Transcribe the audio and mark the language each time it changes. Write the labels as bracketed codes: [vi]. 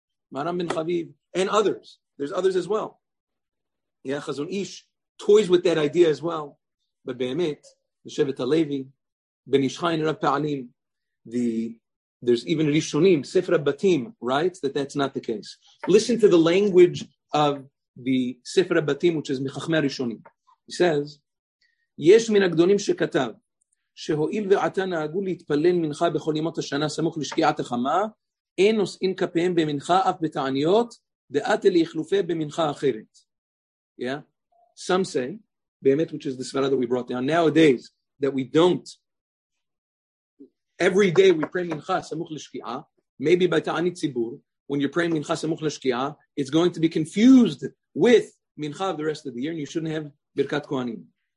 [en] Maran ben Chaviv, and others. There's others as well. Yeah, Chazon Ish, toys with that idea as well. But be'emet, the Shevet HaLevi, ben Ishchai and Rav Pa'anim, there's even Rishonim, Sefer HaBatim, writes that that's not the case. Listen to the language of the Sefer HaBatim, which is Mechachmei Rishonim. He says, [he] יש מן הגדולים שכתב שהואיל ועתה נהגו להתפלל מנחה בכל ימות השנה סמוך לשקיעת החמה, אין נושאים כפיהם במנחה אף בתעניות, דעת אלי חלופה במנחה אחרת. [en] Yeah? Some say, באמת, which is the svara that we brought down, nowadays, that we don't, every day we pray [he] מנחה סמוך לשקיעה, [en] maybe by תעני ציבור, when you're praying מנחה סמוך לשקיעה, it's going to be confused with מנחה of the rest of the year, and you shouldn't have ברכת כהנים.